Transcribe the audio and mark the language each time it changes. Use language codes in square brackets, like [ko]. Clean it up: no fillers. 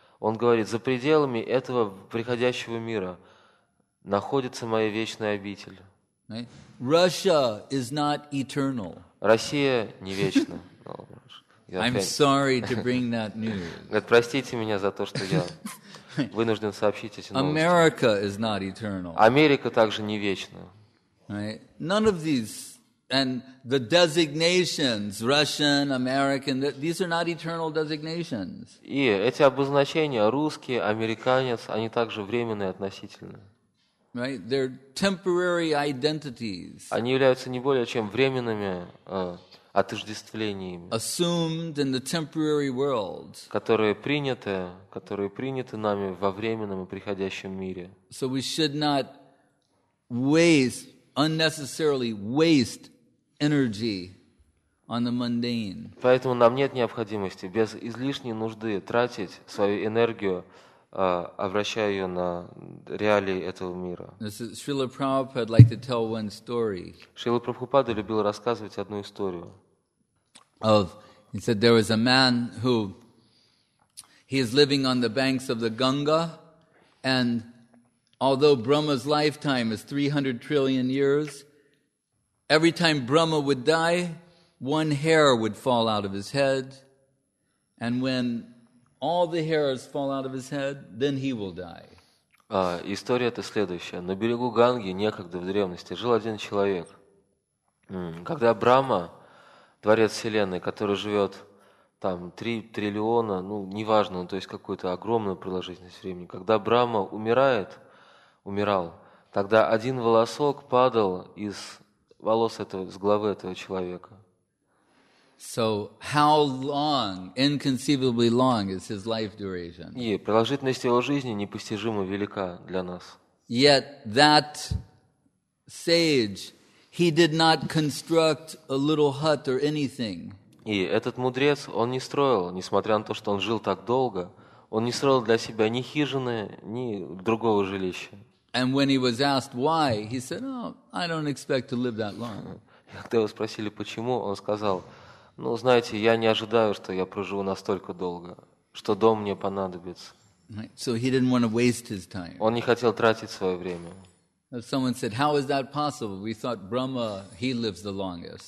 [ru] Он говорит, за пределами этого приходящего мира находится моя вечная обитель. [en] Russia is not eternal. [ru] Россия не вечна. [en] I'm sorry to bring that news. [ru] Простите меня за то, что я вынужден сообщить эти новости. [en] America is not eternal. [ru] Америка также не вечна. [en] Right? None of these and the designations Russian, American, these are not eternal designations. [ru] И эти обозначения русский, американец, они также временные относительно. [en] Right? They're temporary identities. [ru] Они являются не более чем временными отождествлениями. [en] Assumed in the temporary world. [ru] Которые приняты нами во временном и приходящем мире. [en] So we should not unnecessarily waste energy on the mundane. [ru] Поэтому нам нет необходимости без излишней нужды тратить свою энергию, обращая ее на реалии этого мира. [en] Шрила Прабхупада liked to tell one story. [ru] Шрила Прабхупада любил рассказывать одну историю. [en] Of, he said there was a man who he is living on the banks of the Ganga, and although Brahma's lifetime is 300 trillion years, every time Brahma would die, one hair would fall out of his head, and when all the hairs fall out of his head, then he will die. [ru] История эта следующая. На берегу Ганги некогда в древности жил один человек. Когда Брахма, творец вселенной, который живет там 3 триллиона, ну, неважно, то есть какую-то огромную продолжительность времени, когда Брахма умирал, тогда один волосок падал из волос этого, с головы этого человека. [en] So how long, inconceivably long, is his life duration? [ru] И продолжительность его жизни непостижимо велика для нас. [en] Yet that sage, he did not construct a little hut or anything. [ru] И этот мудрец, он не строил, несмотря на то, что он жил так долго, он не строил для себя ни хижины, ни другого жилища. [en] And when he was asked why, he said, "Oh, I don't expect to live that long." [ru] Когда его спросили почему, он сказал: ну, знаете, я не ожидаю, что я проживу настолько долго, что дом мне понадобится. Он не хотел тратить свое время. [en] Someone said, "How is that possible? We thought Brahma, he lives the longest."